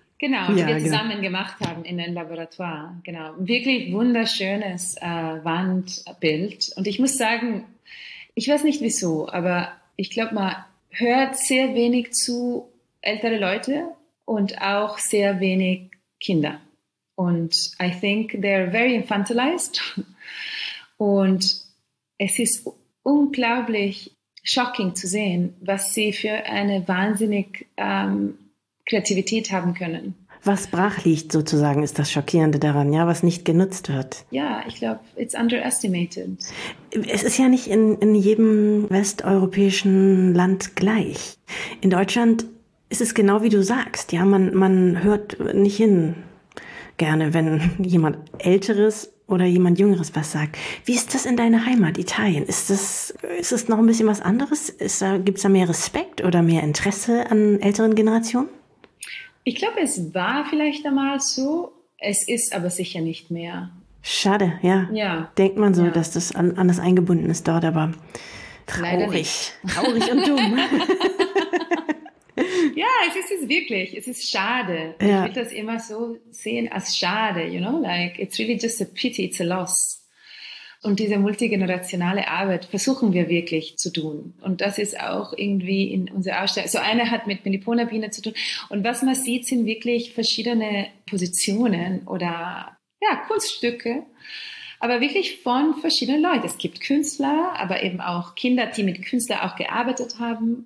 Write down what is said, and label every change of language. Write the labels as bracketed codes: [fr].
[de] Genau, die ja, wir zusammen genau. gemacht haben in einem Laboratoire. Genau, wirklich wunderschönes Wandbild. Und ich muss sagen, ich weiß nicht wieso, aber ich glaube, man hört sehr wenig zu ältere Leute und auch sehr wenig Kinder. Und [en] I think they're very infantilized. [de] Und es ist unglaublich shocking zu sehen, was sie für eine wahnsinnig Kreativität haben können. Was brach liegt sozusagen, ist das Schockierende daran, ja, was nicht genutzt wird. Ja, ich glaube, [en] it's underestimated. [de] Es ist ja nicht in jedem westeuropäischen Land gleich. In Deutschland ist es genau wie du sagst, ja, man hört nicht hin gerne, wenn jemand Älteres oder jemand Jüngeres was sagt. Wie ist das in deiner Heimat, Italien? Ist es noch ein bisschen was anderes? Gibt es da mehr Respekt oder mehr Interesse an älteren Generationen? Ich glaube, es war vielleicht einmal so. Es ist aber sicher nicht mehr. Schade, ja. Ja. Denkt man so, ja. dass das anders eingebunden ist dort, aber traurig. Leider nicht. Traurig und dumm. Ja, es ist es wirklich. Es ist schade. Ja. Ich will das immer so sehen als schade, [en] you know? Like, it's really just a pity, it's a loss. [de] Und diese multigenerationale Arbeit versuchen wir wirklich zu tun. Und das ist auch irgendwie in unserer Ausstellung. So eine hat mit Melipona-Biene zu tun. Und was man sieht, sind wirklich verschiedene Positionen oder ja, Kunststücke. Aber wirklich von verschiedenen Leuten. Es gibt Künstler, aber eben auch Kinder, die mit Künstlern auch gearbeitet haben.